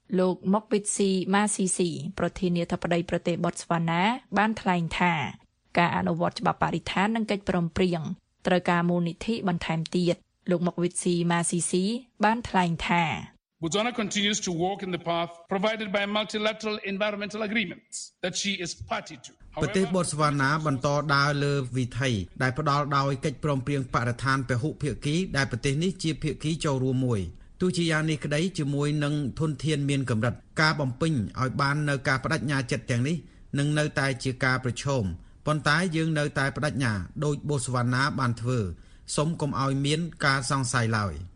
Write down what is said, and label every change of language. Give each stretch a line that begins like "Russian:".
Khmer: លោកម៉ុកវិតស៊ីម៉ាស៊ីស៊ីប្រធានាធិបតីប្រទេសបតស្វ៉ាណាបានថ្លែងថាការអនុវត្តច្បាប់បរិស្ថាននិងកិច្ចព្រមព្រៀងត្រូវការមូលនិធិបន្ថែមទៀតលោកម៉ុកវិតស៊ីម៉ាស៊ីស៊ីបានថ្លែងថា
English: Botswana continues to walk in the path provided by multilateral environmental agreements that she is party to.
Khmer: ប្រទេសបតស្វ៉ាណាបន្តដើរលើវិថីដែលផ្ដល់ដោយកិច្ចព្រមព្រៀងបរិស្ថានពហុភាគីដែលប្រទេសនេះជាភាគីចូលរួមមួយទោះជាយ៉ាងនេះក្តីជាមួយនឹងធនធានមានកម្រិតការបំពេញឲ្យបាននៅការបដិញ្ញាចិត្តទាំងនេះនឹងនៅតែជាការប្រឈមប៉ុន្តែយើងនៅតែបដិញ្ញាដោយបតស្វ៉ាណាបានធ្វើសូមកុំឲ្យមានការសង្ស័យឡើយ